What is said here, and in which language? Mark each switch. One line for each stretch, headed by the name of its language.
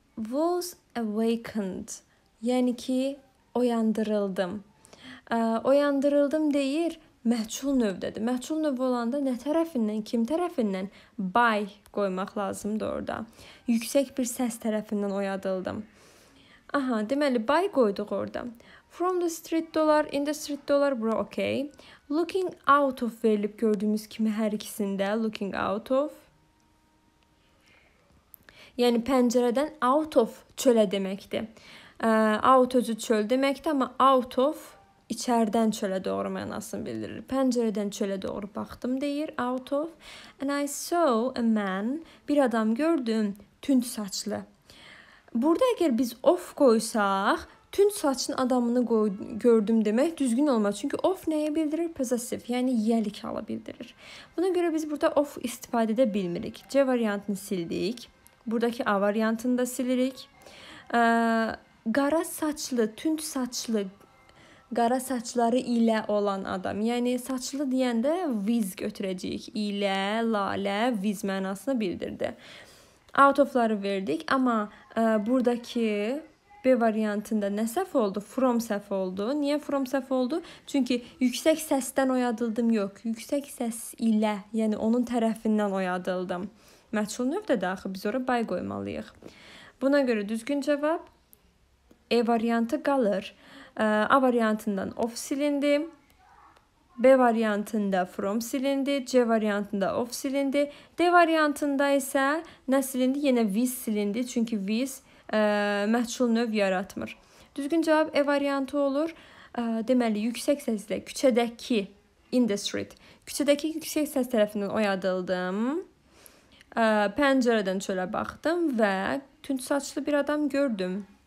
English: Was awakened,
Azerbaijani: yəni ki, oyandırıldım. Oyandırıldım deyir, məçhul növdədir. Məçhul növ olanda nə tərəfindən, kim tərəfindən? By qoymaq lazımdır orada. Yüksək bir səs tərəfindən oyadıldım. Aha, deməli, by qoyduq orada.
English: From the street dollar, in the street dollar, bro, okay. Looking out of
Azerbaijani: verilib gördüyümüz kimi hər ikisində,
English: looking out of.
Azerbaijani: Yəni, pəncərədən out of çölə deməkdir. Out özü çöl deməkdir, amma out of İçərdən çölə doğru mənasını bildirir. Pəncərədən çölə doğru baxdım deyir.
English: Out of. And I saw a man.
Azerbaijani: Bir adam gördüm. Tünd saçlı. Burada əgər biz of qoysaq, tünd saçın adamını gördüm demək düzgün olmaz. Çünki of nəyə bildirir? Possessive. Yəni, yəlik hala bildirir. Buna görə biz burada of istifadə edə bilmirik. C variantını sildik. Buradakı A variantını da silirik. Qara saçlı, tünd saçlı qara saçları ilə olan adam. Yəni, saçlı deyəndə with götürəcəyik. İlə, lalə, with mənasını bildirdi. Out of-ları verdik. Amma buradakı B variantında nə səhv oldu? From səhv oldu. Niyə from səhv oldu? Çünki yüksək səsdən oyadıldım yox. Yüksək səs ilə, yəni onun tərəfindən oyadıldım. Məçhul növdədir axı, biz ora by qoymalıyıq. Buna görə düzgün cavab E variantı qalır. A variantından of silindi, B variantında from silindi, C variantında of silindi, D variantında isə nə silindi? Yenə with silindi, çünki with məhçul növ yaratmır. Düzgün cavab E variantı olur. Deməli, yüksək səslə küçədəki,
English: in the street,
Azerbaijani: küçədəki yüksək səs tərəfindən oyadıldım, pəncərədən çölə baxdım və tünd saçlı bir adam gördüm.